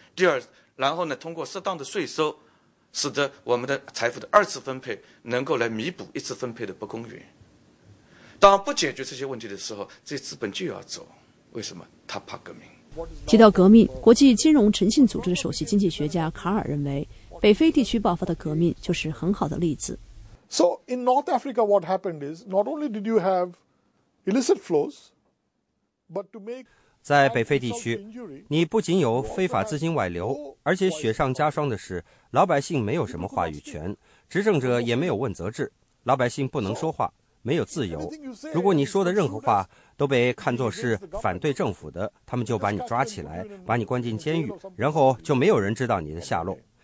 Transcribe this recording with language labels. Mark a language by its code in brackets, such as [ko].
[zh] 第二，然后呢，通过适当的税收，使得我们的财富的二次分配能够来弥补一次分配的不公允。当不解决这些问题的时候，这些资本就要走。为什么？他怕革命。提到革命，国际金融诚信组织的首席经济学家卡尔认为，北非地区爆发的革命就是很好的例子。 [en] So in North Africa, what happened is not only did you have illicit flows. [zh] 在北非地区，你不仅有非法资金外流，而且雪上加霜的是，老百姓没有什么话语权，执政者也没有问责制，老百姓不能说话，没有自由。如果你说的任何话都被看作是反对政府的，他们就把你抓起来，把你关进监狱，然后就没有人知道你的下落。